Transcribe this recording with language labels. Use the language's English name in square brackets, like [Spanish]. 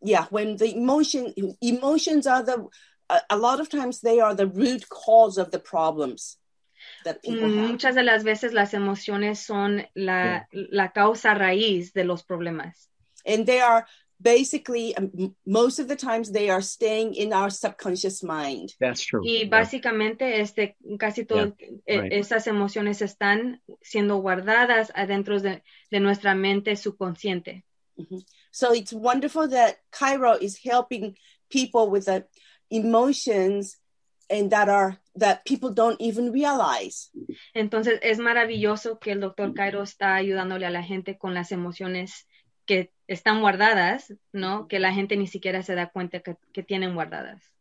[English] When the emotions are the a lot of times they are the root cause of the problems that people have. [Spanish] Muchas de las veces las emociones son la causa raíz de los problemas. [English] And they are basically, most of the times, they are staying in our subconscious mind. That's true. [Spanish] Y básicamente, casi todas esas emociones están siendo guardadas adentro de nuestra mente subconsciente. Mm-hmm. [English] So it's wonderful that Cairo is helping people with the emotions and that people don't even realize. [Spanish] Entonces, es maravilloso que el doctor Cairo está ayudándole a la gente con las emociones que están guardadas, ¿no? Que la gente ni siquiera se da cuenta que tienen guardadas.